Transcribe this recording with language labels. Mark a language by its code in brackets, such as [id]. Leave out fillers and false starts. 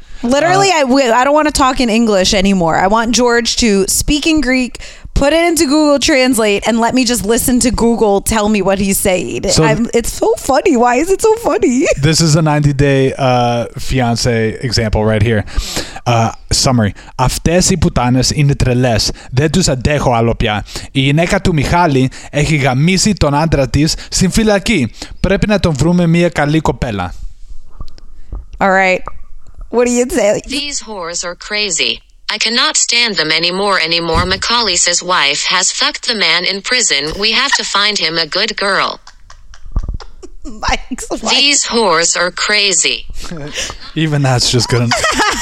[en] Literally, I don't want to talk in English anymore. I want George to speak in Greek, put it into Google Translate, and let me just listen to Google tell me what he's saying. So it's so funny. Why is it so funny? This is a 90 Day Fiancé example right here. Summary. [el] Αυτές οι πουτάνες είναι τρελές. Δεν τους αντέχω άλλο πια. Η γυναίκα του Μιχάλη έχει γαμίσει τον άντρα της στην φυλακή. Πρέπει να τον βρούμε μια καλή κοπέλα. [en] All right. What do you say? These whores are crazy. I cannot stand them anymore. Macaulay's wife has fucked the man in prison. We have to find him a good girl. Mike's wife. These whores are crazy. Even that's just good enough.